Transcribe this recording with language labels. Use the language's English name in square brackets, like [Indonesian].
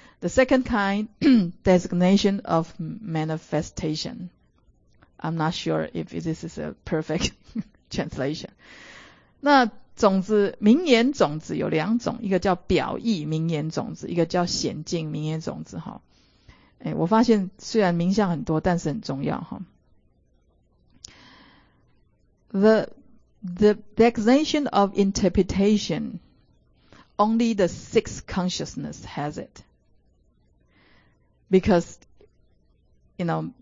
[English] The second kind, designation of manifestation. I'm not sure if this is a perfect translation. [Chinese] 那种子名言种子有两种，一个叫表意名言种子，一个叫显境名言种子。诶，我发现虽然名相很多但是很重要。 [English] The designation of interpretation, only the sixth consciousness has it. Because, you know,